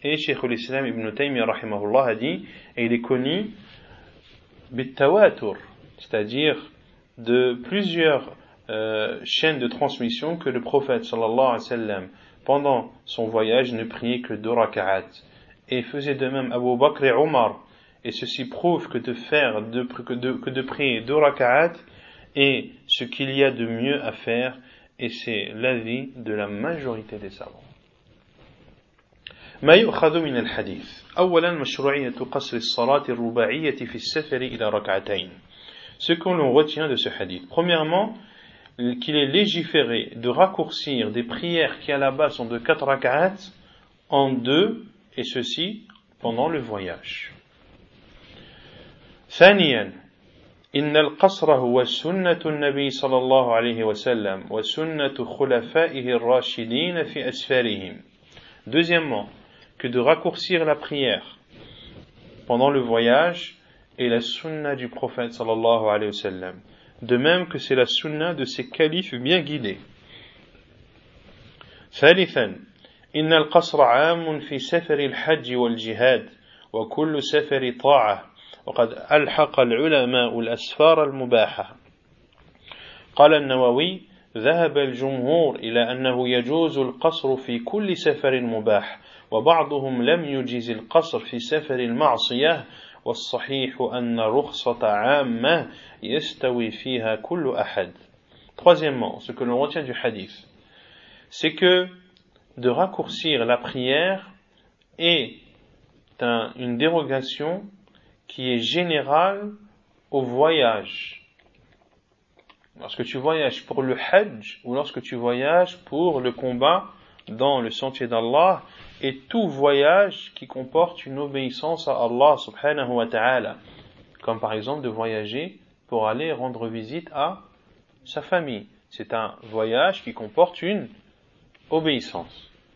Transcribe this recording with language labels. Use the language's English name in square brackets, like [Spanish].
[French] Et Cheikh al-Islam Ibn Taymiyyah rahimahullah a dit, et il est connu bit-tawatur, c'est-à-dire de plusieurs chaînes de transmission, que le prophète sallallahu alayhi wa sallam pendant son voyage ne priait que 2 raka'at et faisait de même Abu Bakr et Omar. Et ceci prouve que de prier 2 raka'at est ce qu'il y a de mieux à faire, et c'est l'avis de la majorité des savants. [Arabic] ما يؤخذ من الحديث اولا مشروعية قصر الصلاة الرباعية في السفر الى ركعتين. [French] Ce que l'on retient de ce hadith, premièrement, qu'il est légiféré de raccourcir des prières qui à la base sont de 4 raka'at en 2, et ceci pendant le voyage. [Arabic] ثانيا إن القصر هو سنة النبي صلى الله عليه وسلم وسنة خلفائه الراشدين في أسفارهم. [French] Deuxièmement, que de raccourcir la prière pendant le voyage est la sunna du prophète صلى الله عليه وسلم, de même que c'est la sunna de ses califes bien guidés. [Arabic] ثالثا إن القصر عام في سفر الحج والجهاد وكل سفر طاعة وقد ألحق العلماء الأسفار المباحة. قال النووي ذهب الجمهور إلى أنه يجوز القصر في كل سفر مباح وبعضهم لم يجيز القصر في سفر المعصية والصحيح أن رخصة عامة يستوي فيها كل أحد. [French] Troisièmement, ce que l'on retient du hadith, c'est que de raccourcir la prière est une dérogation qui est général au voyage. Lorsque tu voyages pour le Hajj ou lorsque tu voyages pour le combat dans le sentier d'Allah, et tout voyage qui comporte une obéissance à Allah subhanahu wa ta'ala, comme par exemple de voyager pour aller rendre visite à sa famille, c'est un voyage qui comporte une obéissance.